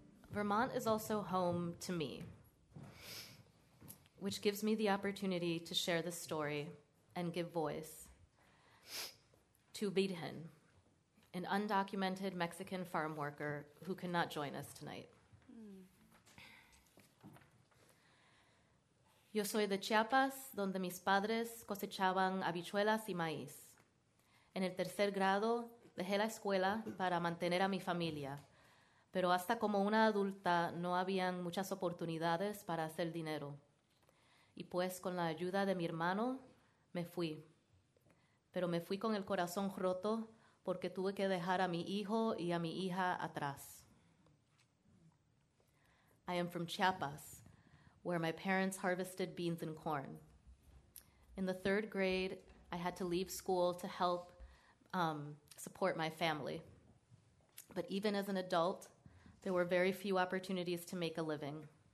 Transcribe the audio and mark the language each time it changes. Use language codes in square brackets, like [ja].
[en] Vermont is also home to me, which gives me the opportunity to share the story and give voice to Bidhin, an undocumented Mexican farm worker who cannot join us tonight. [es] Yo soy de Chiapas, donde mis padres cosechaban habichuelas y maíz. En el tercer grado, dejé la escuela para mantener a mi familia, pero hasta como una adulta no habían muchas oportunidades para hacer dinero. Y pues, con la ayuda de mi hermano, me fui. Pero me fui con el corazón roto porque tuve que dejar a mi hijo y a mi hija atrás. [en] I am from Chiapas, where my parents harvested beans and corn. In the third grade, I had to leave school to help support my family. But even as an adult, there were very few opportunities to make a living.